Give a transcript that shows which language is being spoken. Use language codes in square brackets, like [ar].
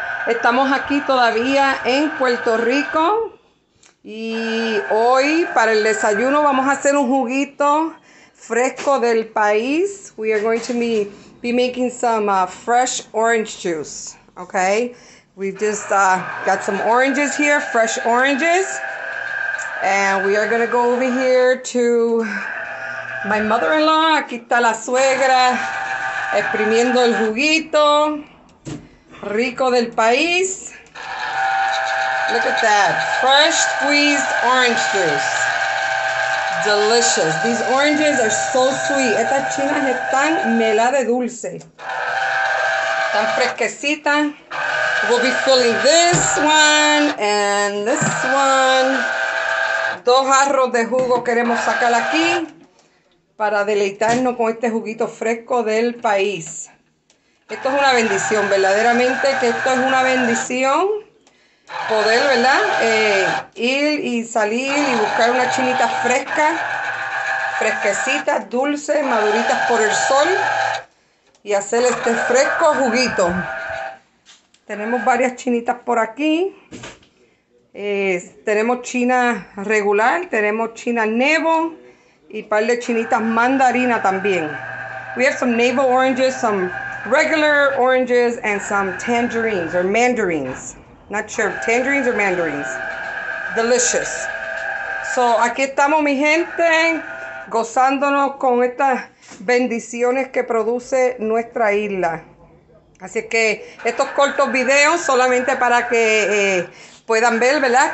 [es] Estamos aquí todavía en Puerto Rico. Y hoy para el desayuno vamos a hacer un juguito fresco del país. [en] We are going to be making some fresh orange juice. Okay? We've just got some oranges here, fresh oranges. And we are going to go over here to my mother-in-law. [es] Aquí está la suegra. Exprimiendo el juguito rico del país. [en] Look at that. Fresh squeezed orange juice. Delicious. These oranges are so sweet. [es] Estas chinas están mela de dulce. Están fresquecitas. [en] We'll be filling this one and this one. [es] Dos jarros de jugo queremos sacar aquí. Para deleitarnos con este juguito fresco del país. Esto es una bendición, verdaderamente que esto es una bendición. Poder, ¿verdad? Ir y salir y buscar una chinita fresca, fresquecita, dulce, maduritas por el sol. Y hacer este fresco juguito. Tenemos varias chinitas por aquí. Tenemos china regular, tenemos china nebo. Y par de chinitas mandarina también. [en] We have some navel oranges, some regular oranges, and some tangerines or mandarines. Not sure, tangerines or mandarines. Delicious. [es] So, aquí estamos, mi gente, gozándonos con estas bendiciones que produce nuestra isla. Así que estos cortos videos solamente para que puedan ver, ¿verdad?